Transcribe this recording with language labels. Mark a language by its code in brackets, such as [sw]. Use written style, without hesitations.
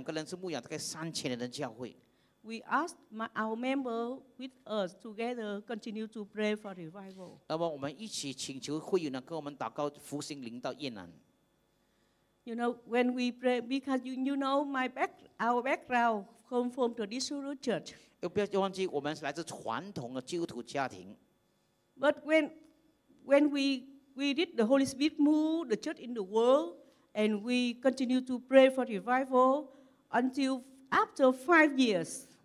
[zh] 我其实我跟丈夫，我们两个人是牧养大概3,000人的教会。 [en] We asked our member with us together continue to pray for revival. [zh] 那么我们一起请求会友呢，跟我们祷告复兴临到越南。 [en] You know when we pray because you know our background come from traditional church. [zh] 又不要忘记，我们是来自传统的基督徒家庭。 [en] But when we did the Holy Spirit move the church in the world, and we continue to pray for revival until after 5 years.